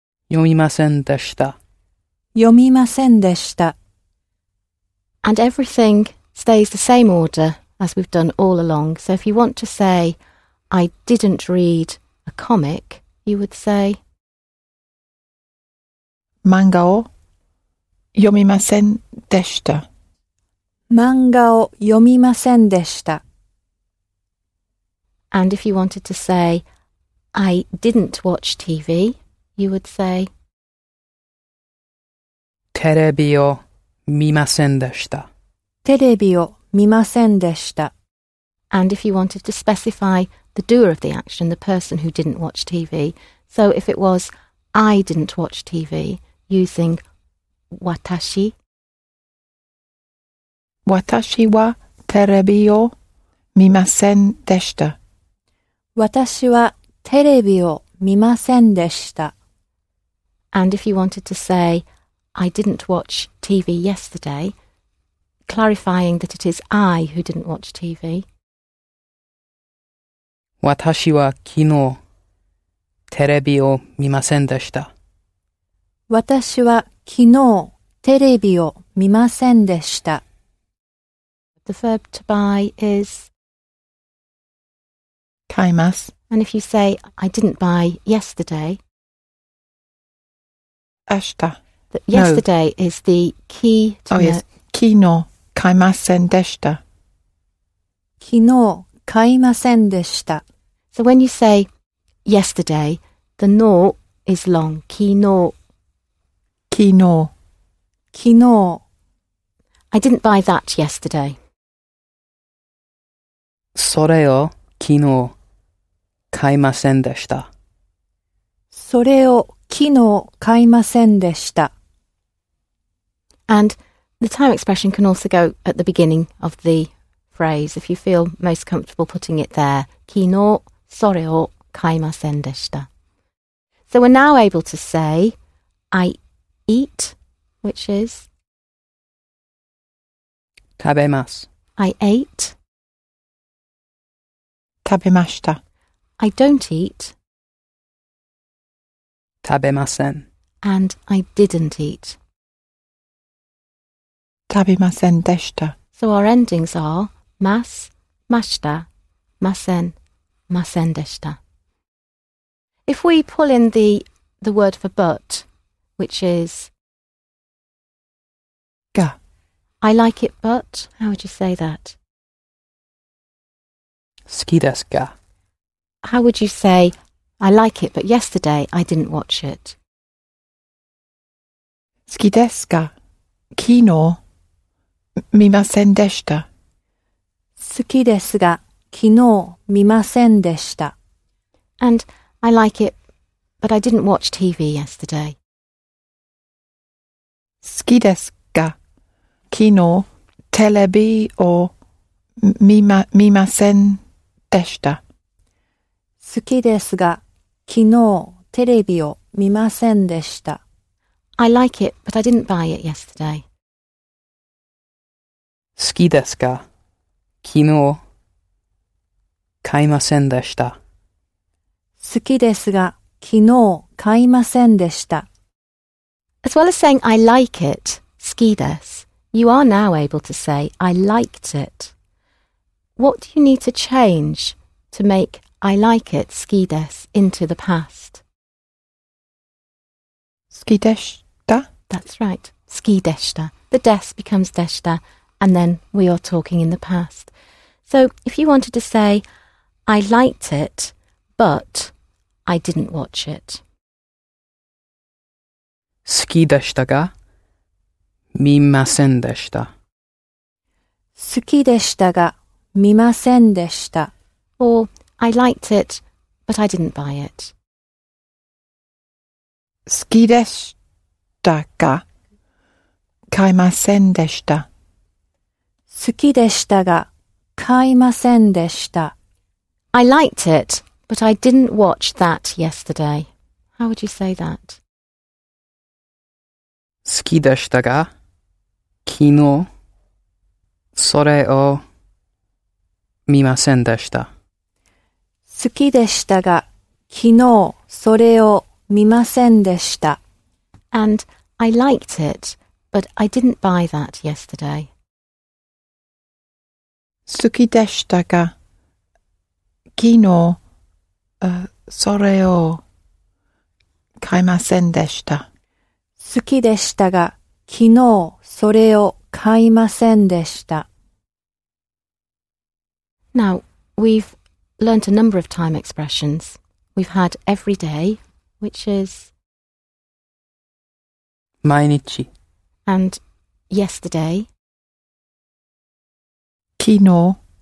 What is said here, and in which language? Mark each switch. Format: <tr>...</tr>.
<ja>読みませんでした。読みませんでした。</ja> <en>And everything stays the same order as we've done all along. So if you want to say, I didn't read a comic, you would say,</en> <ja>漫画を読みませんでした。漫画を読みませんでした。</ja> <en>And if you wanted to say, I didn't watch TV,You would say,</en> <ja>テレビを見ませんでした。テレビを見ませんでした。</ja> <en>And if you wanted to specify the doer of the action, the person who didn't watch TV, so if it was, I didn't watch TV, using 私。</en> <ja>私はテレビを見ませんでした。私はテレビを見ませんでした。</ja> <en>And if you wanted to say, I didn't watch TV yesterday, clarifying that it is I who didn't watch TV.</en> <ja>私は昨日テレビを見ませんでした。私は昨日テレビを見ませんでした。</ja> <en>The verb to buy is</en> <ja>買います。</ja> <en>And if you say, I didn't buy yesterday,</en> <ja>明日.</ja> <en>Yesterday no. is the key to the... Oh, yes.</en> <ja>昨日買いませんでした。昨日買いませんでした。</ja> <en>So when you say yesterday, the no is long.</en> <ja>昨日。昨日。昨日。</ja> <en>I didn't buy that yesterday.</en> <ja>それを昨日買いませんでした。それを昨日買いませんでした。</ja> <en>And the time expression can also go at the beginning of the phrase if you feel most comfortable putting it there.</en> <ja>昨日それを買いませんでした。</ja> <en>So we're now able to say, I eat, which is?</en> <ja>食べます。</ja> <en>I ate.</en> <ja>食べました。</ja> <en>I don't eat.</en> <ja>食べません。</ja> <en>And I didn't eat.</en> <ja>食べませんでした。</ja> <en>So our endings are</en> <ja>ます、ました、ません、ませんでした。</ja> <en>If we pull in the word for but, which is</en> <ja>が</ja> <en>I like it but, how would you say that?</en> <ja>好きですが</ja> <en>How would you say? I like it, but yesterday I didn't watch it.</en> <ja>好きですが、昨日見ませんでした。好きですが、昨日見ませんでした。</ja> <en>And I like it, but I didn't watch TV yesterday.</en> <ja>好きですが、昨日テレビを見ませんでした。好きですが、昨日テレビを見ませんでした。</ja> <en>I like it, but I didn't buy it yesterday.</en> <ja>好きですが、昨日買いませんでした。好きですが、昨日買いませんでした。</ja> <en>As well as saying I like it,</en> <ja>好きです,</ja> <en>you are now able to say I liked it. What do you need to change to make I like it,</en> <ja>好きです,</ja> <en>into the past?</en> <ja>好きでした?</ja> <en>That's right,</en> <ja>好きでした.</ja> <en>The des becomes でした, and then we are talking in the past. So if you wanted to say I liked it, but I didn't watch it.</en> <ja>好きでしたが、見ませんでした。好きでしたが、見ませんでした。</ja> <en>Or, I liked it, but I didn't buy it.</en> <ja>好きでしたが、買いませんでした。好きでしたが、買いませんでした。</ja> <en>I liked it, but I didn't watch that yesterday. How would you say that?</en> <ja>好きでしたが、昨日、それを見ませんでした。好きでしたが、昨日、それを見ませんでした。</ja> <en>And I liked it, but I didn't buy that yesterday.</en> <ja>好きでしたが、昨日、それを買いませんでした。好きでしたが、昨日それを買いませんでした。</ja> <en>Now, we've learnt a number of time expressions. We've had every day, which is</en> <ja>毎日</ja> <en>and yesterday</en> <ja>昨日</ja>